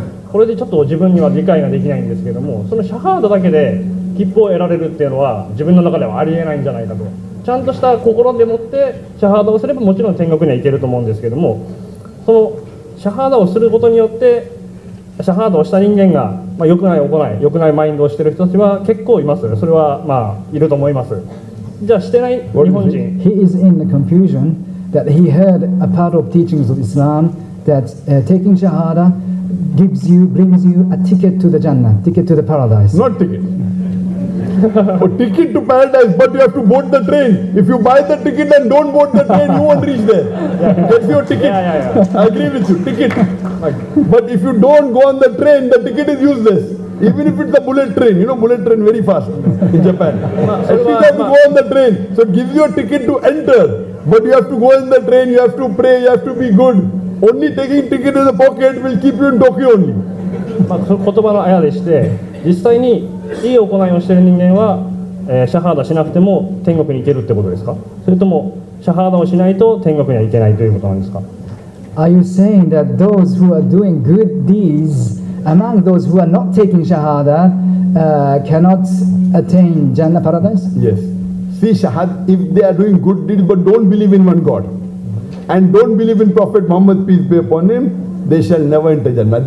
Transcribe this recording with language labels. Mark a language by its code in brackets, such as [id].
[ja] これでちょっと自分には理解ができないんですけども、そのシャハダだけで切符を得られるっていうのは、自分の中ではありえないんじゃないかと、ちゃんとした心でもって、シャハダをすれば、もちろん天国には行けると思うんですけども、そのシャハダをすることによって、シャハダをした人間が、まあ、良くない、行い、良くないマインドをしている人たちは結構います、それはまあ、いると思います。じゃあ、してない日本人。 [en] He is in the confusion. That he heard a part of teachings of Islam that taking shahada gives you, brings you a ticket to the Jannah, ticket to the paradise. Not ticket. A ticket to paradise, but you have to board the train. If you buy the ticket and don't board the train, you won't reach there. Yeah. That's your ticket. Yeah. I agree with you, ticket. But if you don't go on the train, the ticket is useless. Even if it's a bullet train, you know bullet train very fast in Japan. If you have to go on the train, so it gives you a ticket to enter. But you have to go in the train, you have to pray, you have to be good. Only taking ticket in the pocket will keep you in Tokyo only. [ja] まあ、言葉のあやでして、実際にいい行いをしている人間は、シャハーダしなくても天国に行けるってことですか？それともシャハーダをしないと天国には行けないということなんですか？ [en] Are you saying that those who are doing good deeds among those who are not taking shahada, cannot attain Jannah paradise? Yes. See, Shahad, if they are doing good deeds but don't believe in one God and don't believe in Prophet Muhammad, peace be upon him, they shall never enter Jannah.